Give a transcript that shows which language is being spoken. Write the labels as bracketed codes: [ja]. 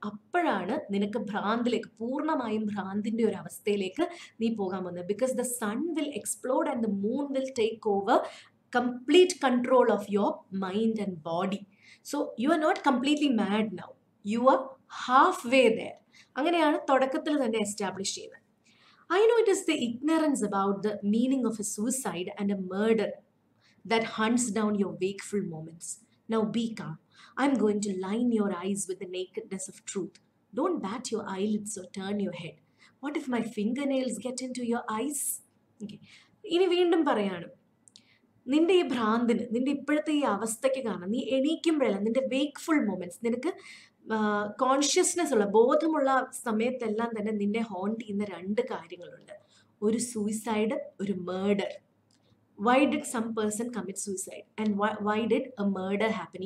[ml] അപ്പോഴാണ് നിനക്ക് ഭ്രാന്തിലേക്ക്, പൂർണ്ണമായും ഭ്രാന്തിൻ്റെ ഒരു അവസ്ഥയിലേക്ക് നീ പോകാൻ പോകുന്നത്. [en] Because the sun will explode and the moon will take over complete control of your mind and body. So you are not completely mad now, you are half way there. [ml] അങ്ങനെയാണ് തുടക്കത്തിൽ തന്നെ എസ്റ്റാബ്ലിഷ് ചെയ്യുന്നത്. [en] I know it is the ignorance about the meaning of a suicide and a murder that hunts down your wakeful moments. Now be calm. I am going to line your eyes with the nakedness of truth. Don't bat your eyelids or turn your head. What if my fingernails get into your eyes? Okay. [ml] ഇനി വീണ്ടും പറയാണ്, നിന്റെ ഈ ഭ്രാന്തിന്, നിന്റെ ഇപ്പോഴത്തെ ഈ അവസ്ഥയ്ക്ക് കാരണം നീ എണീക്കുമ്പോഴല്ല, നിന്റെ വേക്ക്ഫുൾ മൊമെന്റ്സ്, നിനക്ക് കോൺഷ്യസ്നെസ് ഉള്ള ബോധമുള്ള സമയത്തെല്ലാം തന്നെ നിന്നെ ഹോണ്ട് ചെയ്യുന്ന രണ്ട് കാര്യങ്ങളുണ്ട്. [en] ഒരു സൂയിസൈഡ്, ഒരു murder. Why did some person commit suicide and why did a murder happen?